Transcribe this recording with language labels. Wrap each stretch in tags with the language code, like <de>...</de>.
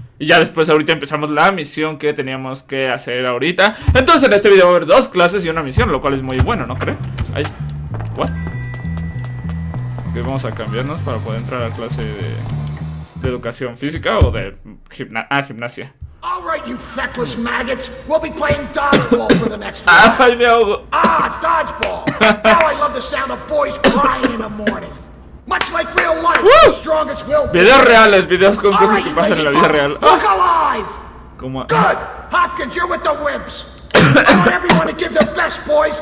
<es>Y ya después ahorita empezamos la misión que teníamos que hacer ahorita. Entonces en este video va a haber dos clases y una misión, lo cual es muy bueno, ¿no creen? Ahí. ¿What? Ok, vamos a cambiarnos para poder entrar a clase de educación física o de gimnasia.</es> <en>All right, you feckless maggots. We'll be playing dodgeball for the next one.</en> <es>Ay, me ahogo.</es> <en>Ah, dodgeball. Now I love the sound of boys crying in the morning. Much like real life, the strongest will be.</en> <es>Videos reales, videos con cosas que pasan en la vida real.</es> <en>Look alive. Como... Good. Hopkins, you're with the wimps. I want everyone to give their best, boys.</en>